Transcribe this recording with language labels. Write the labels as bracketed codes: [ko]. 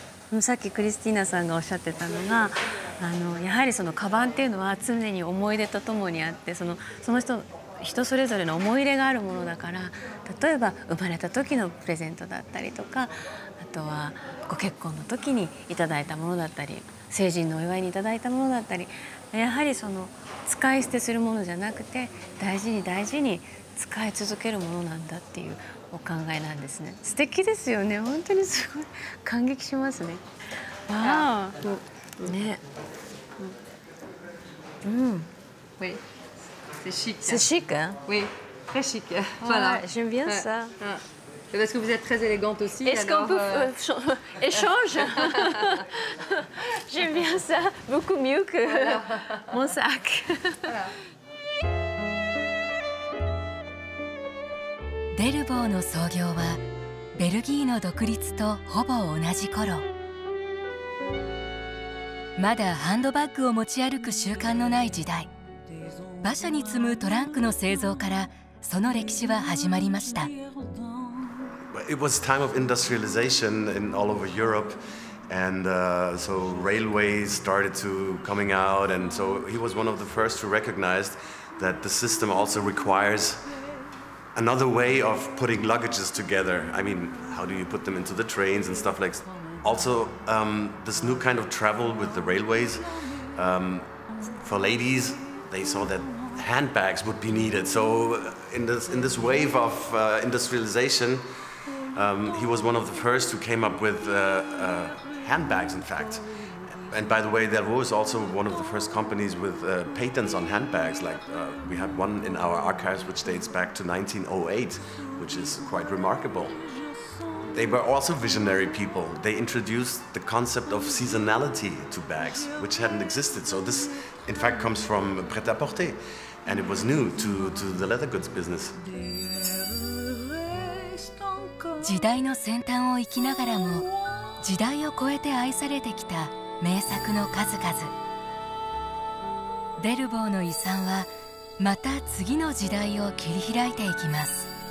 [fr] Comme ce que Christina a dit, c'est que le caban est toujours avec des souvenirs. C'est que les gens ont des souvenirs de leur vie. Par exemple, le présent de la naissance de la naissance. [ja] あとはご結婚の時にいただいたものだったり、成人のお祝いにいただいたものだったり、やはりその使い捨てするものじゃなくて、大事に大事に使い続けるものなんだっていうお考えなんですね。素敵ですよね。本当にすごい感激しますね。ああ、ね。うん。 [fr] Oui. C'est chic. C'est chic, hein? Oui. Très chic. Voilà. J'aime bien ça. Parce que vous êtes très élégante aussi. Est-ce alors, qu'on peut échanger? J'aime bien ça, beaucoup mieux que voilà. Mon sac. [ja] Delvaux の創業はベルギーの独立とほぼ同じ頃。まだハンドバッグを持ち歩く習慣のない時代。馬車に積むトランクの製造からその歴史は始まりました。 [en] It was a time of industrialization in all over Europe, and so railways started to coming out, and so he was one of the first who recognized that the system also requires another way of putting luggages together. I mean, how do you put them into the trains and stuff like that? Also, this new kind of travel with the railways, for ladies, they saw that handbags would be needed. So in this wave of industrialization, he was one of the first who came up with handbags, in fact. And by the way, there was also one of the first companies with patents on handbags. Like we had one in our archives, which dates back to 1908, which is quite remarkable. They were also visionary people. They introduced the concept of seasonality to bags, which hadn't existed. So this, in fact, comes from prêt-à-porter, and it was new to the leather goods business. [ja] 時代の先端を生きながらも時代を超えて愛されてきた名作の数々、デルボーの遺産はまた次の時代を切り開いていきます。